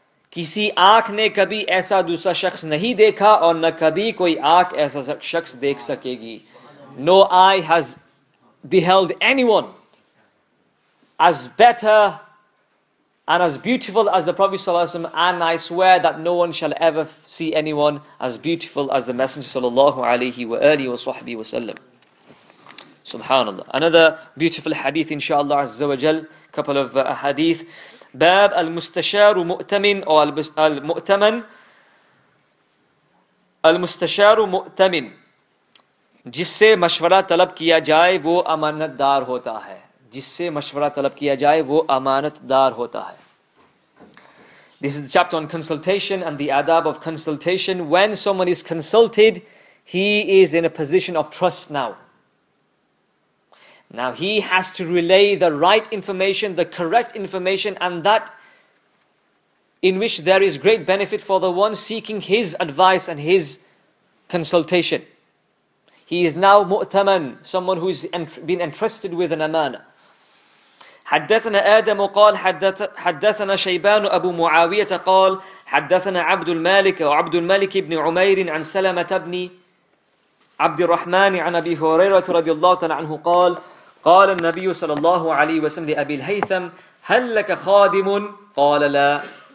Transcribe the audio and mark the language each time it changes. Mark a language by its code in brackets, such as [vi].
[ur] کسی آنکھ نے کبھی ایسا دوسرا شخص نہیں دیکھا اور نہ کبھی کوئی آنکھ ایسا شخص دیکھ سکے گی. [en] No eye has beheld anyone as better and as beautiful as the Prophet sallallahu alaihi wasallam, and I swear that no one shall ever see anyone as beautiful as the Messenger sallallahu alaihi wa alihi wa sahbihi wa sallam. Subhanallah. Another beautiful hadith, inshallah azza wa jal. Couple of hadith. Bab al-mustashar mu'tamin or al-mu'taman. Al-mustashar mu'tamin. [ur] جس سے مشورہ طلب کیا جائے وہ امانتدار ہوتا ہے. جس سے مشورہ طلب کیا جائے وہ امانتدار ہوتا ہے. [en] This is the chapter on consultation and the adab of consultation. When someone is consulted, he is in a position of trust now. Now he has to relay the right information, the correct information, and that in which there is great benefit for the one seeking his advice and his consultation. He is now mu'taman, someone who has been entrusted with an amana. [ar] حدثنا آدم قال حدثنا شيبان أبو معاوية قال حدثنا عبد المالك وعبد الملك بن عمير عن سلمة بن عبد الرحمن عن أبي هريرة رضي الله عنه قال قال النبي صلى الله عليه وسلم لأبي الهيثم هل لك خادم؟ قال لا.